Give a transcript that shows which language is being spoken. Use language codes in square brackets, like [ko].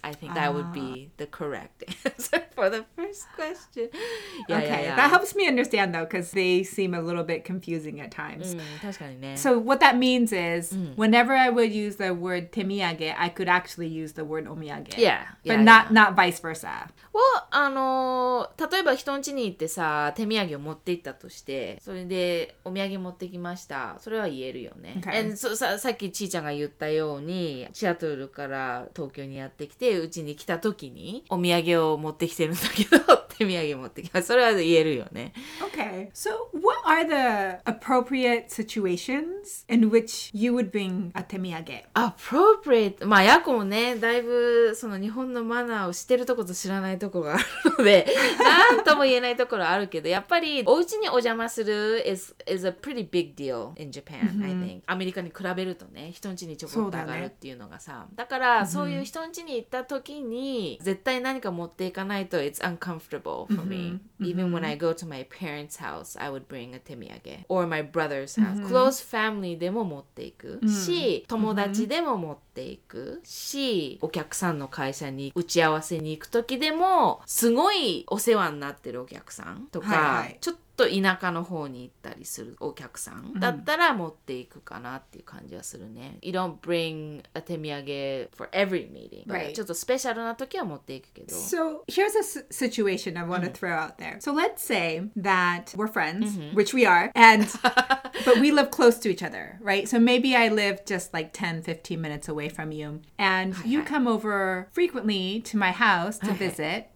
[en] I think that would be the correct answer for the first question. Yeah, okay. That helps me understand though, because they seem a little bit confusing at times. [ja] 確かにね。 [en] So what that means is, whenever I would use the word 手土産, I could actually use the word お土産。 Yeah. But not vice versa. [ja] Well, 例えば人ん家に行ってさ、手土産を持って行ったとして、それでお土産持ってきました。それは言えるよね。 [en] Okay. And so, [ja] さっきちーちゃんが言ったように、シアトルから東京にやってきて、うちに来た時にお土産を持ってきてるんだけど、手土産持ってきました。それは言えるよね。 [en] Okay. So, what are the appropriate situations in which you would bring a 手土産? Appropriate? [ja] まあ、ヤコもね、だいぶその日本のマナーを知ってるとこと知らないとこがあるので、なんとも言えないところあるけど、やっぱりお家にお邪魔する [en] is a pretty big deal in Japan,、 [ja] mm-hmm. [en] I think. [ja] アメリカに比べるとね、人ん家にちょこっと上がるっていうのがさ。だから、mm-hmm. そういう人ん家に行った時に、絶対何か持っていかないと [en] it's uncomfortable for me.、 [ja] Mm-hmm. [en] Even when I go to my parents' house, I would bring a 手土産 or my brother's house.、Mm-hmm. Close family [ja] でも持っていく、mm-hmm. し、友達でも持っていくし、お客さんの会社に打ち合わせに行く時でも、すごいお世話になってるお客さんとか、はいはい、ちょっと田舎の方に行ったりするお客さんだったら持っていくかなっていう感じはするね。 [en] You don't bring a 手土産 for every meeting, but、 [ja] ちょっとスペシャルな時は持っていくけど。 [en] So here's a situation I want to throw out there. So let's say that we're friends,、mm-hmm. which we are, and but we live close to each other, right? So maybe I live just like 10-15 minutes away from you, and you come over frequently to my house to visit.